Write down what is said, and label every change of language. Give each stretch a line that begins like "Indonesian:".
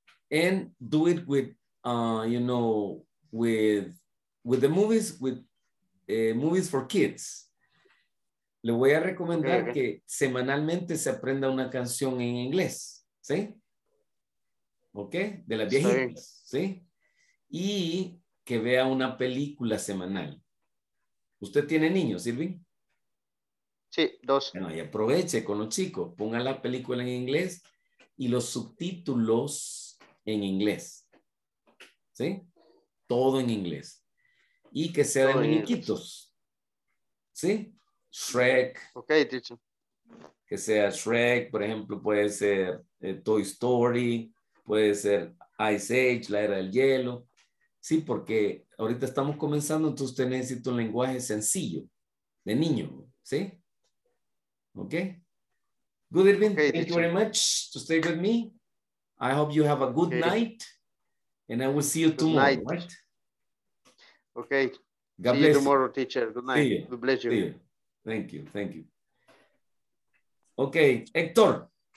English: And do it with, you know, with the movies, with movies for kids.
Spanish: Le voy a recomendar que semanalmente se aprenda una canción en inglés, ¿sí? ¿Ok? De las viejitas. ¿Sí? Y que vea una película semanal. ¿Usted tiene niños, Irving? Sí, 2. Bueno, y aproveche con los chicos. Ponga la película en inglés y los subtítulos en inglés. ¿Sí? Todo en inglés. Y que sea de muñequitos. ¿Sí? Shrek.
English: Ok, teacher.
Spanish: Que sea Shrek, por ejemplo, puede ser Toy Story, puede ser Ice Age, la era del hielo. Sí, porque ahorita estamos comenzando, entonces usted necesita un lenguaje sencillo, de niño, ¿sí? ¿Ok?
English: Good evening. Okay, thank you very much to stay with me. I hope you have a good night. And I will see you tomorrow, right? Okay. God bless. See you tomorrow, teacher. Good night. God bless you. See you. Thank you. Okay, Héctor.